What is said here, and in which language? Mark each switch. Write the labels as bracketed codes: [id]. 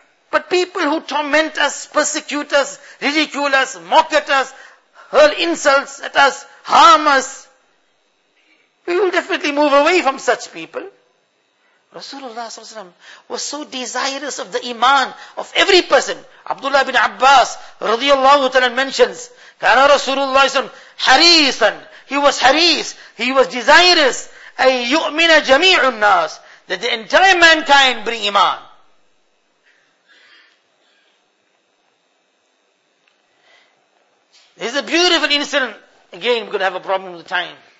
[en] But people who torment us, persecute us, ridicule us, mock at us, hurl insults at us, harm us, we will definitely move away from such people. Rasulullah ﷺ was so desirous of the iman of every person. Abdullah bin Abbas radiallahu ta'ala mentions, [ar] كان رسول الله صلى الله عليه وسلم حريصا. [en] He was haris, he was desirous, [ar] أي يؤمن جميع الناس, [en] that the entire mankind bring iman. There's a beautiful incident. Again, we're going to have a problem with the time.